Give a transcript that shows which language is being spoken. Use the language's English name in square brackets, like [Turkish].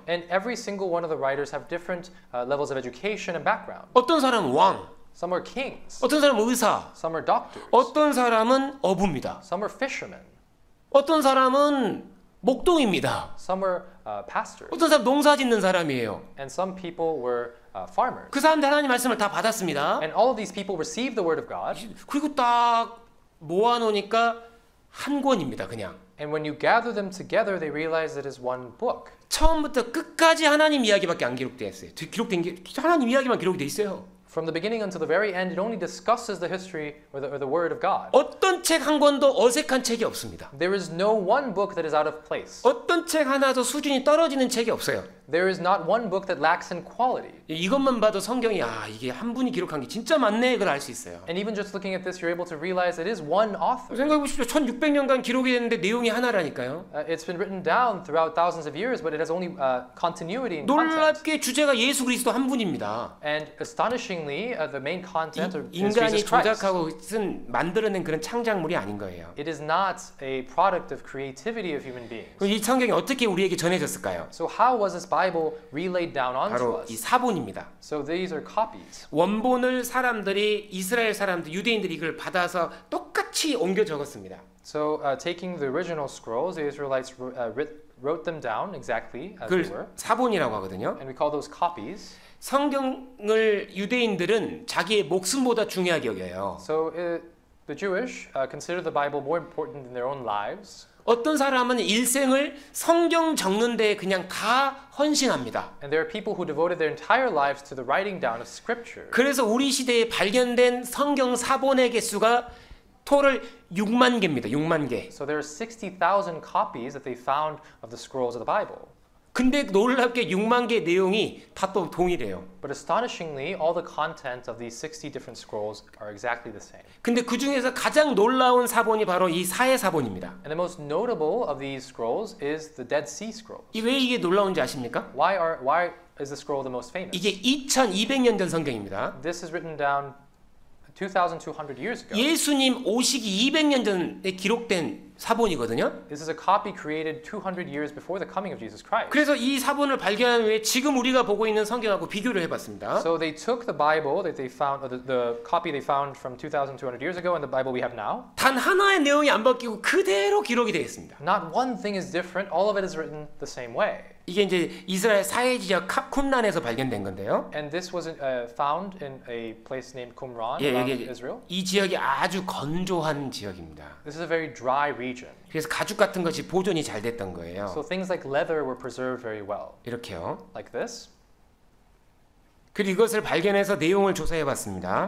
[English] And every single one of the writers have different levels of education and background. [Korean] 어떤 사람은 왕. [English] Some are kings. [Korean] 어떤 사람은 의사. [English] Some are doctors. [Korean] 어떤 사람은 어부입니다. [English] Some are fishermen. [Korean] 어떤 사람은 목동입니다. [English] Some are pastors. [Korean] 어떤 사람 농사 짓는 사람이에요. [English] And some people were farmers. [Korean] 그 사람들 하나님 말씀을 다 받았습니다. [English] And all of these people received the word of God. [Korean] 그리고 딱 모아놓으니까 한 권입니다, 그냥. [English] And when you gather them together, they realize it is one book. [Korean] 처음부터 끝까지 하나님 이야기밖에 안 기록돼 있어요. 기록된 게 하나님 이야기만 기록이 돼 있어요. [English] From the beginning until the very end, it only discusses the history or the word of God. [Korean] 어떤 책 한 권도 어색한 책이 없습니다. [English] There is no one book that is out of place. [Korean] 어떤 책 하나도 수준이 떨어지는 책이 없어요. [English] There is not one book that lacks in quality. [Korean] 이것만 봐도 성경이 아 이게 한 분이 기록한 게 진짜 맞네 그걸 알 수 있어요. [English] And even just looking at this, you're able to realize it is one author. [Korean] 생각해보십시오. 1600년간 기록이 됐는데 내용이 하나라니까요. [English] It's been written down throughout thousands of years, but it has only continuity. [Korean] 놀랍게 주제가 예수 그리스도 한 분입니다. [English] And astonishingly, the main content is Jesus Christ. [Korean] 인간이 조작하고 쓴 만들어낸 그런 창작물이 아닌 거예요. [English] It is not a product of creativity of human beings. [Korean] 그럼 이 성경이 어떻게 우리에게 전해졌을까요? [English] So how was this Bible relayed down onto us? [Korean] 바로 이 사본입니다. [English] So these are copies. [Korean] 원본을 사람들이 이스라엘 사람들 유대인들이 이걸 받아서 똑같이 옮겨 적었습니다. [English] So taking the original scrolls, the Israelites wrote them down exactly as they were. [Korean] 사본이라고 하거든요. [English] And we call those copies. [Korean] 성경을 유대인들은 자기의 목숨보다 중요하게 여겨요. [English] So the Jewish consider the Bible more important than their own lives. [Korean] 어떤 사람은 일생을 성경 적는 데 그냥 다 헌신합니다. [English] And there are people who devoted their entire lives to the writing down of scripture. [Korean] 그래서 우리 시대에 발견된 성경 사본의 개수가 토를 6만 개입니다. 6만 개. [English] So there are 60,000 copies that they found of the scrolls of the Bible. [Korean] 근데 놀랍게 6만 개 내용이 다 또 동일해요. [English] But astonishingly, all the content of these 60 different scrolls are exactly the same. [Korean] 근데 그 중에서 가장 놀라운 사본이 바로 이 사해 사본입니다. [English] And the most notable of these scrolls is the Dead Sea Scrolls. [Korean] 이 왜 이게 놀라운지 아십니까? [English] Why is the scroll the most famous? [Korean] 이게 2,200년 전 성경입니다. [English] This is written down 2,200 years ago. [Korean] 예수님 오시기 200년 전에 기록된 사본이거든요. [English] This is a copy created 200 years before the coming of Jesus Christ. [Korean] 그래서 이 사본을 발견한 후에 지금 우리가 보고 있는 성경하고 비교를 해봤습니다. [English] So they took the Bible that they found, the copy they found from 2,200 years ago, and the Bible we have now. [Korean] 단 하나의 내용이 안 바뀌고 그대로 기록이 되어 있습니다. [English] Not one thing is different. All of it is written the same way. [Korean] 이게 이제 이스라엘 사해 지역 쿰란에서 발견된 건데요. [English] And this was found in a place named Qumran in Israel. [Korean] 이 지역이 아주 건조한 지역입니다. [English] This is a very dry region. [Korean] 그래서 가죽 같은 것이 보존이 잘 됐던 거예요. [English] So things like leather were preserved very well. [Korean] 이렇게요. [English] Like this. [Korean] 그리고 이것을 발견해서 내용을 조사해 봤습니다.